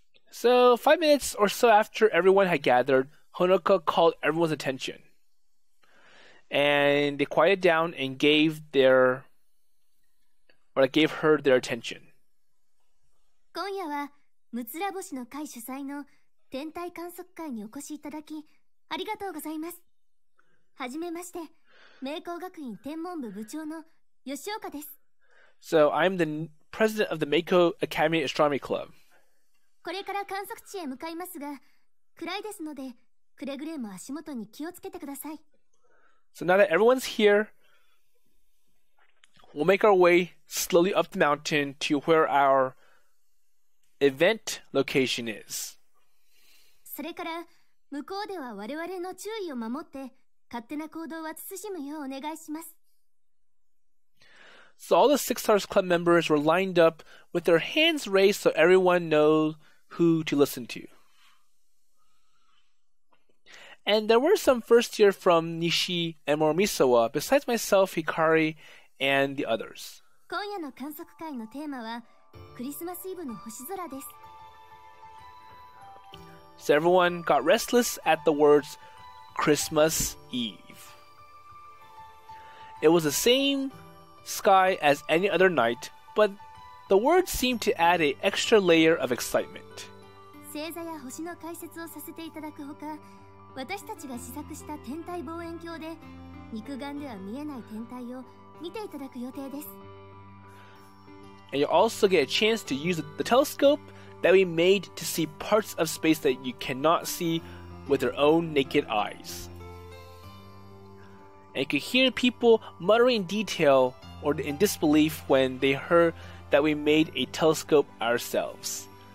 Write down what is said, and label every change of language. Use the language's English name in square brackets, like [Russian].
[English] So 5 minutes or so after everyone had gathered, Honoka called everyone's attention. And they quieted down and gave their, or like gave her their attention. [Japanese] 今夜は、むつら星の会主催の天体観測会にお越しいただき、ありがとうございます。はじめまして、明光学院天文部部長の吉岡です。 [English] So I'm the president of the Meiko Academy Astronomy Club. [Japanese] これから観測地へ向かいますが、暗いですので、くれぐれも足元に気をつけてください。 [English] So now that everyone's here, we'll make our way slowly up the mountain to where our event location is. [Japanese] それから向こうでは我々の注意を守って勝手な行動は慎むようお願いします。 [English] So all the Six Stars Club members were lined up with their hands raised so everyone knows who to listen to. And there were some first year from Nishi and Morimisawa besides myself, Hikari, and the others. [Japanese] 今夜の観測会のテーマはクリスマスイブの星空です。 [English] So everyone got restless at the words Christmas Eve. It was the same sky as any other night, but the words seemed to add an extra layer of excitement. [Japanese] 星座や星の解説をさせていただくほか、私たちが試作した天体望遠鏡で肉眼では見えない天体を見ていただく予定です。 [English] And you also get a chance to use the telescope that we made to see parts of space that you cannot see with your own naked eyes. And you could hear people muttering detail or in disbelief when they heard that we made a telescope ourselves.